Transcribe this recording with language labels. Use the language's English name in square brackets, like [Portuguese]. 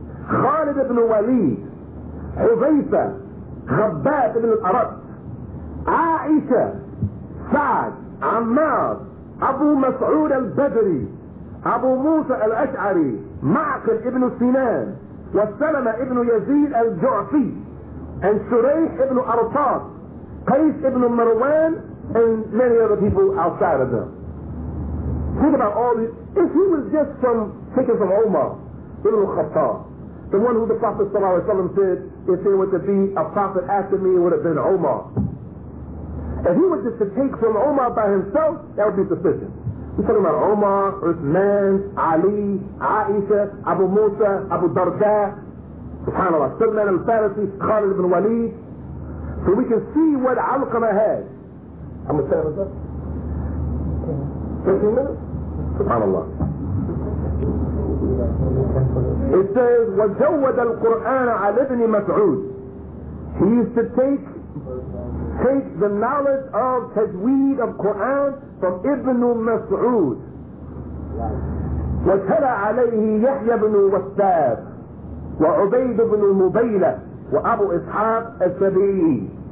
[Arabic] خالد بن وليد. حذيفة. خباب بن الأرد. عائشة. سعد. عمار. أبو مسعود البدري. أبو موسى الأشعري. معقل بن سنان. وسلمة بن يزيد الجعفي. And شريح بن أرطاس. [English] قيس بن مروان. And many other people outside of them. Think about all these If he was just some taken from Omar, Ibn al-Khattab, the one who the Prophet sallallahu alayhi wa sallam said, if there were to be a prophet after me, it would have been Omar. If he was just to take from Omar by himself, that would be sufficient. We're talking about Omar, Uthman, Ali, Aisha, Abu Musa, Abu Darda, SubhanAllah, Salman al-Farisi, Khalid ibn Walid. So we can see what Alqama has. I'm going to say that. 15 minutes? SubhanAllah. It says, [Arabic] وَجَوَّدَ الْقُرْآنَ عَلَى ابْنِ مَسْعُودٍ. [English] He used to take the knowledge of tajweed of Quran from Ibn Mas'ud. [Arabic] وَتَلَى عَلَيْهِ يَحْيَى بْنُ وَسَّابِ وَعُبَيْدُ بْنُ مُبَيْلَةِ وَأَبُوْ إِسْحَاقِ السَّبِيِّ.